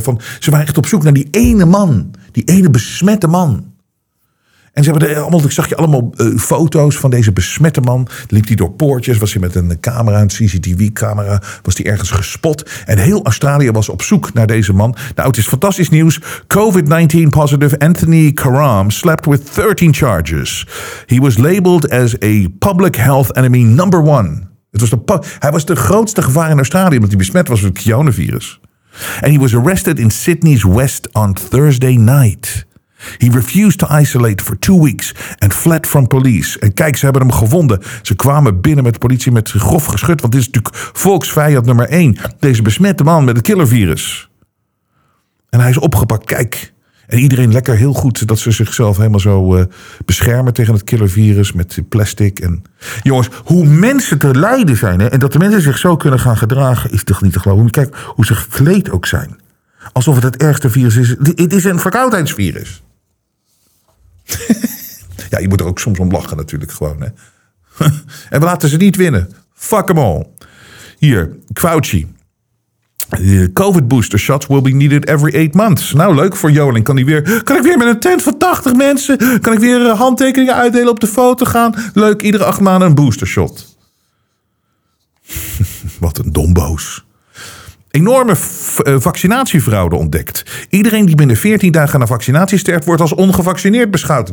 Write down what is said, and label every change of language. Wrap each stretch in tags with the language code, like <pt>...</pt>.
<nl>Van ze waren echt op zoek naar die ene man. Die ene besmette man. En ze hebben ik zag allemaal foto's van deze besmette man. Liep hij door poortjes. Was hij met een camera, een CCTV-camera. Was hij ergens gespot. En heel Australië was op zoek naar deze man. Nou, het is fantastisch nieuws.</nl> <en>COVID-19 positive Anthony Karam slept with 13 charges. He was labeled as a public health enemy number one.</en> <nl>Hij was de grootste gevaar in Australië. Omdat hij besmet was met het coronavirus.</nl> <en>And he was arrested in Sydney's West on Thursday night. He refused to isolate for 2 weeks and fled from police.</en> <nl>En kijk, ze hebben hem gevonden. Ze kwamen binnen met de politie met grof geschut. Want dit is natuurlijk volksvijand nummer 1. Deze besmette man met het killervirus. En hij is opgepakt. Kijk. En iedereen lekker heel goed dat ze zichzelf helemaal zo beschermen tegen het killervirus met plastic. En jongens, hoe mensen te lijden zijn. Hè, en dat de mensen zich zo kunnen gaan gedragen is toch niet te geloven. Kijk hoe ze gekleed ook zijn. Alsof het ergste virus is. Het is een verkoudheidsvirus. Ja, je moet er ook soms om lachen natuurlijk gewoon. Hè? En we laten ze niet winnen.</nl> <en>Fuck them all.</en> <nl>Hier,</nl> <en>Fauci. COVID booster shots will be needed every 8 months.</en> <nl>Nou, leuk voor Joling. Kan ik weer met een tent van 80 mensen? Kan ik weer handtekeningen uitdelen op de foto gaan? Leuk, iedere 8 maanden een booster shot. Wat een domboos. Enorme vaccinatiefraude ontdekt. Iedereen die binnen 14 dagen na vaccinatie sterft, wordt als ongevaccineerd beschouwd.</nl>